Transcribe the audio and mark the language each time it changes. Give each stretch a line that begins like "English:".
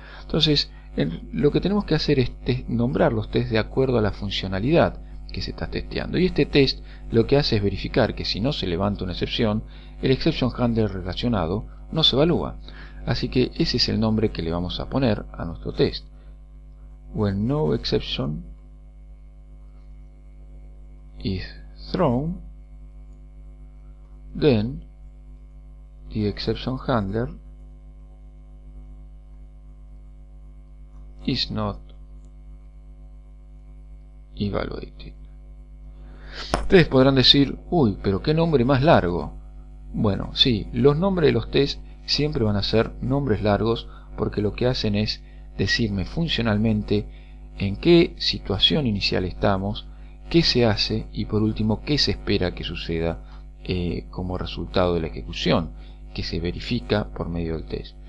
Spanish: Entonces, lo que tenemos que hacer es nombrar los tests de acuerdo a la funcionalidad que se está testeando. Y este test lo que hace es verificar que si no se levanta una excepción, el exception handler relacionado no se evalúa. Así que ese es el nombre que le vamos a poner a nuestro test.
English: When no exception is thrown, then the exception handler is not evaluated.
Spanish: Ustedes podrán decir, uy, pero qué nombre más largo. Bueno, sí, los nombres de los tests siempre van a ser nombres largos, porque lo que hacen es decirme funcionalmente en qué situación inicial estamos, qué se hace y por último qué se espera que suceda como resultado de la ejecución, que se verifica por medio del test.